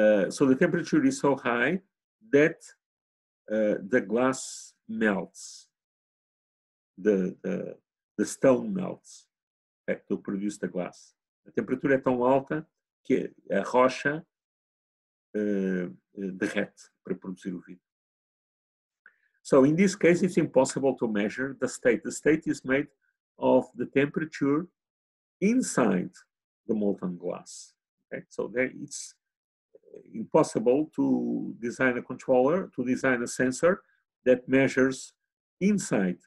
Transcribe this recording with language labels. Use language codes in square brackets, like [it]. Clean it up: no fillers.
[en] So the temperature is so high that the glass melts, the stone melts. To produce the glass. [pt] A temperatura é tão alta que a rocha derrete para produzir o vidro. [en] So in this case, it's impossible to measure the state. The state is made of the temperature inside the molten glass. Okay? So there it's impossible to design a controller, to design a sensor that measures inside.